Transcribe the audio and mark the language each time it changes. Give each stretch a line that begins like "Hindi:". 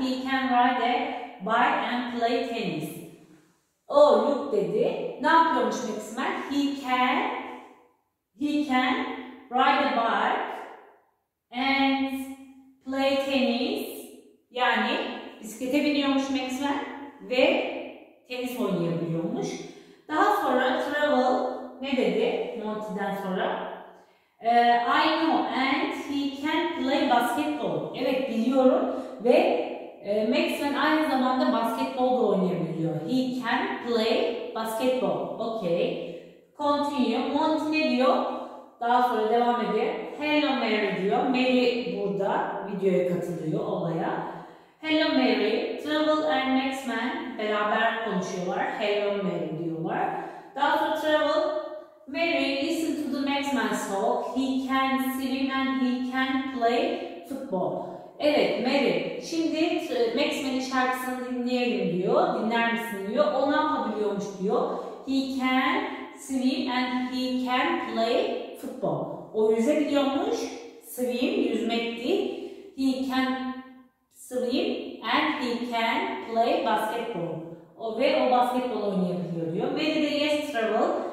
English: He can ride a bike and play tennis. Oh look
Turkish: dedi. Ne yapıyormuş
English: Max Man? He can ride a bike and play tennis.
Turkish: Yani bisiklete biniyormuş Max Man ve tenis oynayabiliyormuş. Daha sonra travel ne dedi Monty'den sonra?
English: I know and he can play basketball.
Turkish: Evet biliyorum ve Max Man aynı zamanda basketbol da oynayabiliyor.
English: He can play basketball. Okay. Continue.
Turkish: Monty ne diyor? Daha sonra devam ediyor.
English: Hello Mary
Turkish: diyor. Mary burada videoya katılıyor olaya.
English: Hello Mary.
Turkish: Travel and Max Man beraber konuşuyorlar.
English: Hello Mary
Turkish: diyorlar. Daha sonra
English: Travel. Mary, listen to the Max Man song. He can swim and he can play football.
Turkish: Evet Mary, şimdi Max Man'in şarkısını dinleyelim diyor. Dinler misin diyor. O ne yapabiliyormuş diyor.
English: He can swim and he can play football.
Turkish: O yüze gidiyormuş.
English: Swim,
Turkish: yüzmekti.
English: He can swim and he can play basketball.
Turkish: O ve o basketbol oynayabiliyor diyor. Mary de
English: yes,
Turkish: travel.